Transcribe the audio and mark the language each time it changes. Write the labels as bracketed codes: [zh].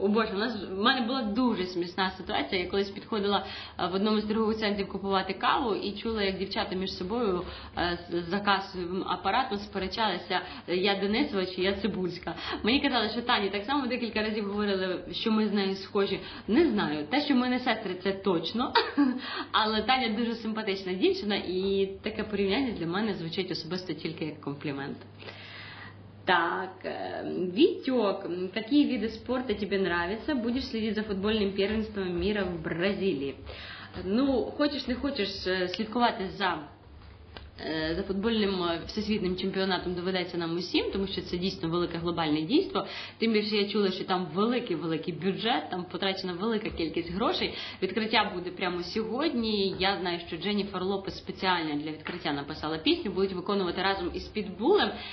[uk] О боже, в мене була дуже смішна ситуація. Я колись підходила в одному з торгових центрів купувати каву і чула, як дівчата між собою за касовим апаратом сперечалися, я Денісова чи я Цибульська. Мені казали, що Тані так само декілька разів говорили, що ми з нею схожі. Не знаю, те, що ми не сестри, це точно, але Таня дуже симпатична дівчина і таке порівняння для мене звучить особисто тільки як комплімент. [ru] Так, Витёк, какие виды спорта тебе нравятся? Будешь следить за футбольным первенством мира в Бразилии? [uk] Ну, хочешь не хочешь слідкувати за футбольним всесвітнім чемпіонатом доведеться нам усім, тому що це дійсно велике глобальне дійство. Тим більше я чула, що там великий-великий бюджет, там потрачена велика кількість грошей. Відкриття буде прямо сьогодні. Я знаю, що Дженніфер Лопес спеціально для відкриття написала пісню, будуть виконувати разом із Пітбулем.